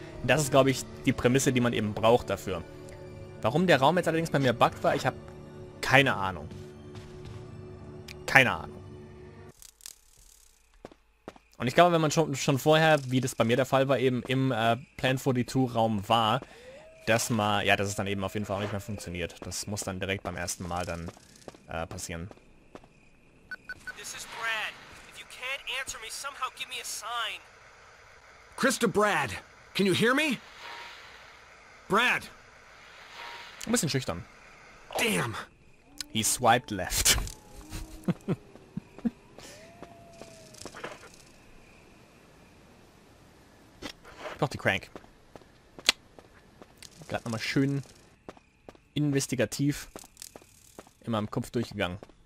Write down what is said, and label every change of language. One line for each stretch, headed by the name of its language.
German: Das ist, glaube ich, die Prämisse, die man eben braucht dafür. Warum der Raum jetzt allerdings bei mir buggt war, ich habe keine Ahnung. Keine Ahnung. Und ich glaube, wenn man schon vorher, wie das bei mir der Fall war, eben im Plan 42-Raum war, dass man, ja, dass es dann eben auf jeden Fall auch nicht mehr funktioniert. Das muss dann direkt beim ersten Mal dann passieren.
English: This is Brad. If you can't answer me, somehow give me a sign. Krista, Brad, can you hear me? Brad.
German: Ein bisschen schüchtern.
English: Damn. He swiped left.
German: Die Crank. Gerade nochmal schön investigativ in meinem Kopf durchgegangen.